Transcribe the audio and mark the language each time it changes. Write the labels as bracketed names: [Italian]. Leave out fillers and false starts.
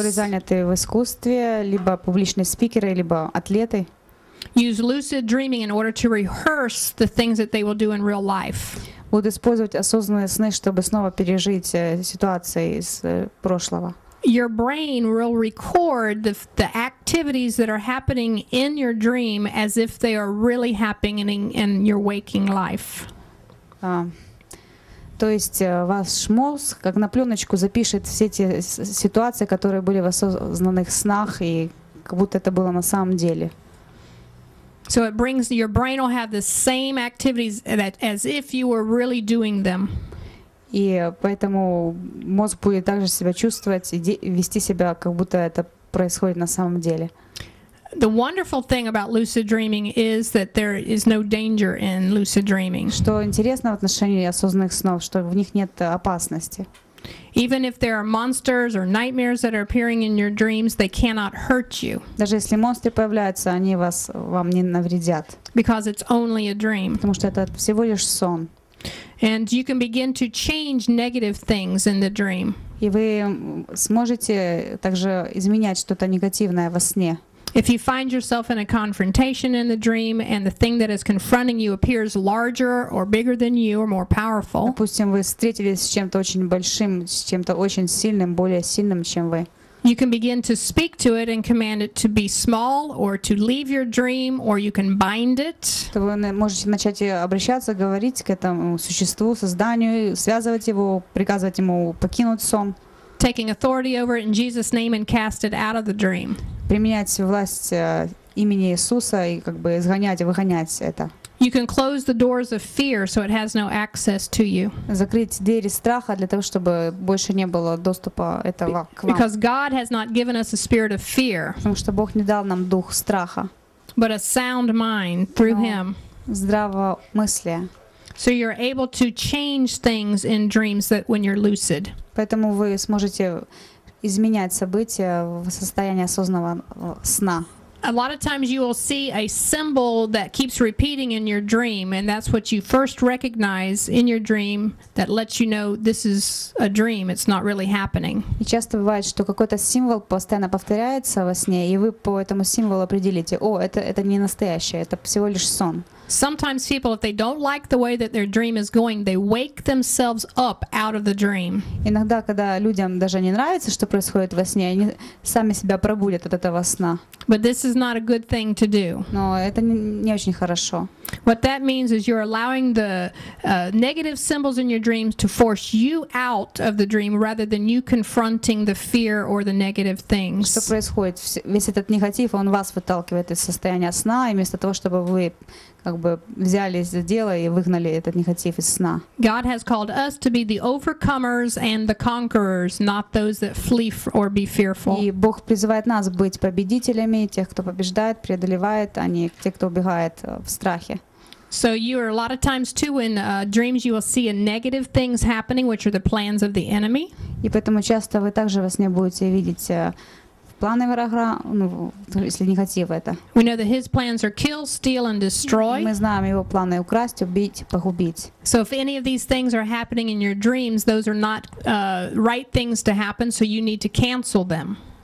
[Russian] Люди, которые заняты в искусстве, либо публичные спикеры, либо атлеты. [English] Use lucid dreaming in order to rehearse the things that they will do in real life. [Russian] Будут использовать осознанные сны, чтобы снова пережить ситуации из прошлого. [English] Your brain will record the activities that are happening in your dream as if they are really happening in your waking life. [Russian] То есть ваш мозг как на пленочку запишет все эти ситуации, которые были в осознанных снах и как будто это было на самом деле. [English] So it brings your brain will have the same activities that as if you were really doing them. [Russian] И поэтому мозг будет также себя чувствовать и вести себя как будто это происходит на самом деле. [English] The wonderful thing about lucid dreaming is that there is no danger in lucid dreaming. [Russian] Что интересно в отношении осознанных снов, что в них нет опасности. [English] Even if there are monsters or nightmares that are appearing in your dreams, they cannot hurt you. [Russian] Даже если монстры появляются, они вам не навредят. [English] Because it's only a dream. [Russian] Потому что это всего лишь сон. [English] And you can begin to change negative things in the dream. [Russian] И вы сможете также изменять что-то негативное во сне. [English] If you find yourself in a confrontation in the dream and the thing that is confronting you appears larger or bigger than you or more powerful. [Russian] Допустим, вы встретились с чем-то очень большим, с чем-то очень сильным, более сильным, чем вы. [English] You can begin to speak to it and command it to be small or to leave your dream or you can bind it. [Russian] То вы можете начать обращаться, говорить к этому существу, созданию, связывать его, приказывать ему покинуть сон. [English] Taking authority over it in Jesus' name and cast it out of the dream. [Russian] Применять власть имени Иисуса и как бы изгонять, выгонять это. [English] You can close the doors of fear so it has no access to you. [Russian] Закрыть двери страха для того, чтобы больше не было доступа этого к вам. [English] Because God has not given us a spirit of fear. [Russian] Потому что Бог не дал нам дух страха. [English] But a sound mind through Him. [Russian] Здравомыслие. [English] So you're able to change things in dreams that when you're lucid. [Russian] Поэтому вы сможете изменять события в состоянии осознанного сна. [English] A lot of times you will see a symbol that keeps repeating in your dream, and that's what you first recognize in your dream that lets you know this is a dream, it's not really happening. [Russian] И часто бывает, что какой-то символ постоянно повторяется во сне, и вы по этому символу определите, о, это не настоящее, это всего лишь сон. [English] Sometimes people, if they don't like the way that their dream is going, they wake themselves up out of the dream. [Russian] Иногда, когда людям даже не нравится, что происходит во сне, они сами себя пробудят от этого сна. [English] But this is not a good thing to do. [Russian] Но это не очень хорошо. [English] What that means is you're allowing the negative symbols in your dreams to force you out of the dream rather than you confronting the fear or the negative things. [Russian] Что происходит? Весь этот негатив, он вас выталкивает из состояния сна, и вместо того, чтобы вы как бы взялись за дело и выгнали этот негатив из сна. [English] God has called us to be the overcomers and the conquerors, not those that flee or be fearful. [Russian] И Бог призывает нас быть победителями, тех, кто побеждает, преодолевает, а не те, кто убегает в страхе. [English] So you are a lot of times too in dreams you will see a negative things happening, which are the plans of the enemy. [Russian] И поэтому часто вы также во сне будете видеть планы врага, если негатив это. [English] We know that his plans are kill, steal and destroy. [Russian] Мы знаем его планы украсть, убить, погубить. [English] So if any of these things are happening in your dreams, those are not right things to happen, so you need to cancel them.